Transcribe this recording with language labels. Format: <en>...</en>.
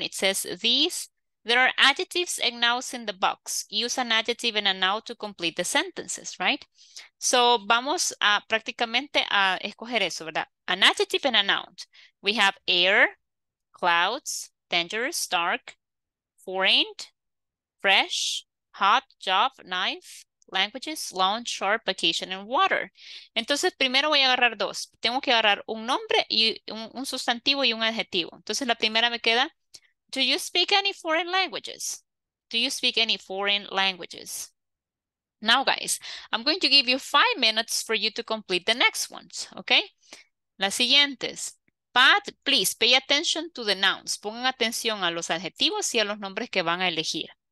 <en>It says these, there are adjectives and nouns in the box. Use an adjective and a noun to complete the sentences, right?</en> <es>So vamos a prácticamente a escoger eso, ¿verdad?</es> <en>An adjective and a noun. We have air, clouds, dangerous, dark, foreign, fresh, hot, job, knife, languages, lawn, sharp, vacation, and water.</en> <es>Entonces, primero voy a agarrar dos. Tengo que agarrar un nombre, y un sustantivo y un adjetivo. Entonces, la primera me queda,</es> <en>do you speak any foreign languages? Do you speak any foreign languages? Now, guys, I'm going to give you 5 minutes for you to complete the next ones, okay?</en> <es>Las siguientes.</es> <en>But please pay attention to the nouns.</en> <es>Pongan atención a los adjetivos y a los nombres que van a elegir.</es>